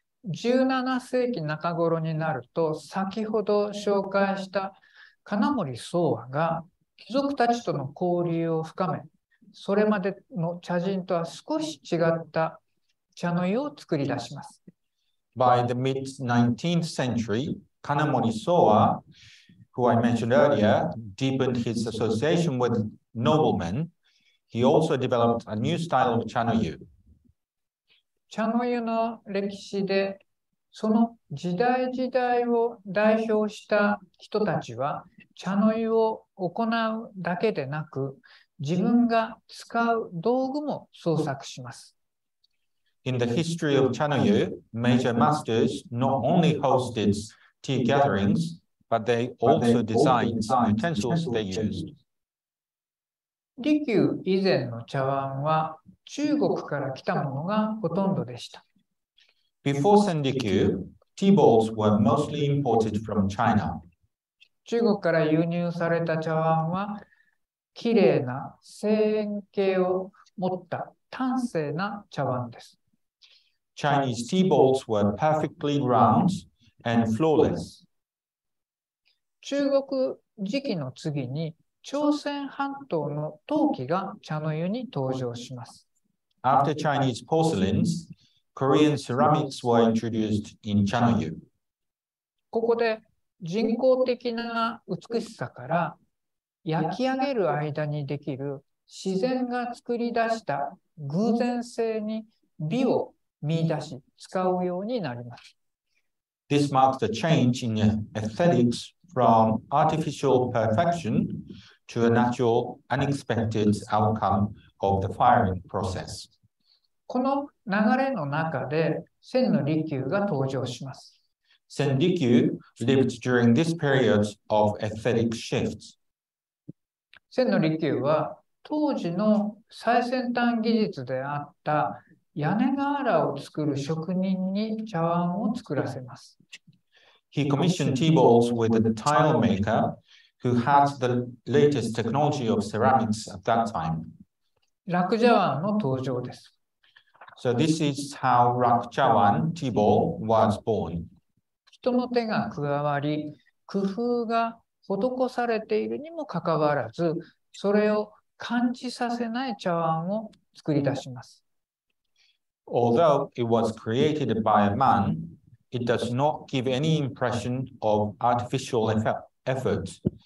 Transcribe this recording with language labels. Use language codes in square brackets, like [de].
[ja] 17世紀中頃になると、先ほど紹介した金森宗和が貴族たちとの交流を深め、それまでの茶人とは少し違った茶の湯を作り出します。 [en] By the mid-19th century, 金森宗和who I mentioned earlier, deepened his association with noblemen. He also developed a new style of chanoyu. [ja] Chanoyu の歴史で、その時代時代を代表した人たちは、chanoyu を行うだけでなく、自分が使う道具も創作します。 [en] In the history of chanoyu, major masters not only hosted tea gatherings,but they also designed some utensils they used. [ja] 利休以前の茶碗は中国から来たものがほとんどでした。 [en] Before Sen Rikyu, tea bowls were mostly imported from China. [ja] 中国から輸入された茶碗は綺麗な正円形を持った端正な茶碗です。 [en] Chinese tea bowls were perfectly round and flawless. [ja] 中国時期の次に朝鮮半島の陶器が茶の湯に登場します。 [en] After Chinese porcelains, Korean ceramics were introduced in 茶の湯。 [ja] ここで人工的な美しさから焼き上げる間にできる自然が作り出した偶然性に美を見出し使うようになります。 [en] This marks the change in aesthetics. From artificial perfection to a natural, unexpected outcome of the firing process. [ja] この流れの中で、千の利休が登場します。 [en] 千利休 lived during this period of aesthetic shifts. [ja] 千の利休は当時の最先端技術であった屋根瓦を作る職人に茶碗を作らせます。 [en] He commissioned tea bowls with a tile maker who had the latest technology of ceramics at that time. [ja] Rak Jawan の登場です。 [en] So this is how Rak Jawan tea bowl was born. [ja] 人の手が加わり、工夫が施されているにもかかわらず、それを感じさせない茶碗を作り出します。 [en] Although it was created by a man,It does not give any impression of artificial effort.